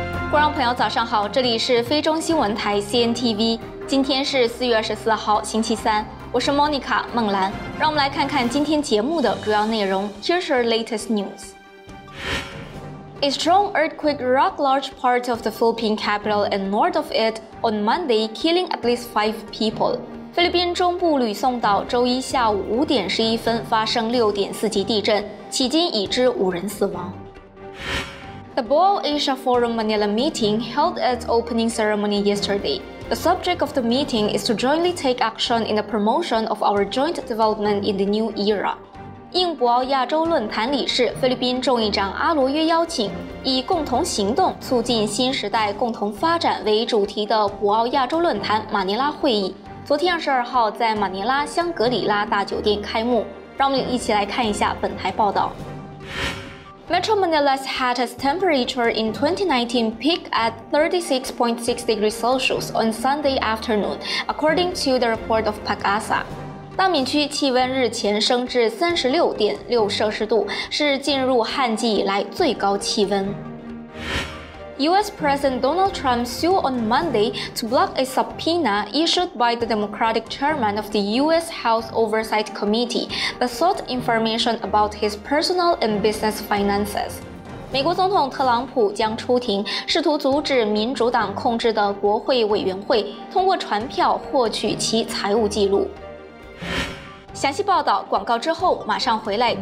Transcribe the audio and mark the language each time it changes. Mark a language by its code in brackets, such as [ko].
[zh] 观众朋友早上好，这里是菲中新闻台 CNTV， 今天是4月24号星期三，我是 Monica 孟兰，让我们来看看今天节目的主要内容。 [en] Here's our latest news. A strong earthquake rocked large part of the Philippine capital and north of it on Monday, killing at least 5 people. [zh] 菲律宾中部吕宋岛周一下午5:11发生6.4级地震，迄今已知5人死亡。 [en] The Boao Forum Manila meeting held its opening ceremony yesterday. The subject of the meeting is to jointly take action in the promotion of our joint development in the new era. [zh] 应博鳌亚洲论坛理事、菲律宾众议长阿罗约邀请，以“共同行动，促进新时代共同发展”为主题的博鳌亚洲论坛马尼拉会议，昨天22号在马尼拉香格里拉大酒店开幕。让我们一起来看一下本台报道。 [en] Metro Manila's had its temperature in 2019 peak at 36.6 degrees Celsius on Sunday afternoon, according to the report of PAGASA. [zh] 大闵区气温日前升至 36.6 摄氏度，是进入旱季以来最高气温。 [en] U.S. President Donald Trump sued on Monday to block a subpoena issued by the Democratic chairman of the U.S. House Oversight Committee that sought information about his personal and business finances. [zh] 美国总统特朗普将出庭，试图阻止民主党控制的国会委员会通过传票获取其财务记录。详细报道广告之后马上回来。